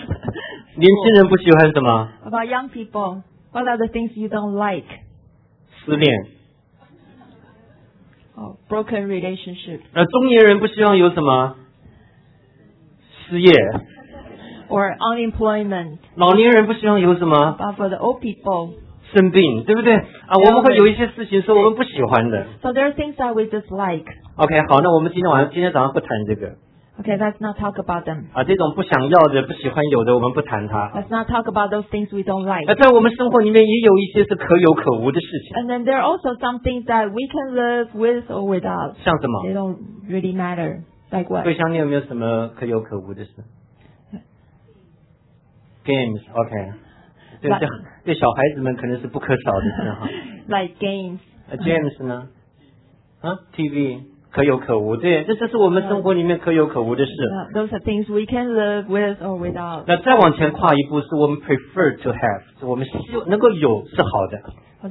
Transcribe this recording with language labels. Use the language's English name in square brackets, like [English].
[Chinese] 标准答案。年轻人不喜欢什么？ [English] About young people. What are the things you don't like? [Chinese] 失恋。 [English] Oh, broken relationship. [Chinese] 中年人不希望有什么？失业。 [English] Or unemployment. [Chinese] 老年人不希望有什么？ [English] But for the old people. [Chinese] 生病，对不对？我们会有一些事情是我们不喜欢的。 [English] So there are things that we dislike. [Chinese] OK, 好，那我们今天早上不谈这个。 [English] Okay, let's not talk about them. [Chinese] 这种不想要的、不喜欢有的，我们不谈它。 [English] Let's not talk about those things we don't like. [Chinese] 在我们生活里面也有一些是可有可无的事情。 [English] And then there are also some things that we can live with or without. [Chinese] 像什么？ [English] They don't really matter. Like what? [Chinese] 对象，你有没有什么可有可无的事？ [English] Games, okay. [Chinese] 对，对小孩子们可能是不可少的事哈。 [English] Like games. Games 呢？TV。 [Chinese] 可有可无，对，这是我们生活里面可有可无的事。 [English] Those are things we can live with or without. [Chinese] 那再往前跨一步，是我们 [English] prefer to have， [Chinese] 我们希望能够有是好的。 [English] Well,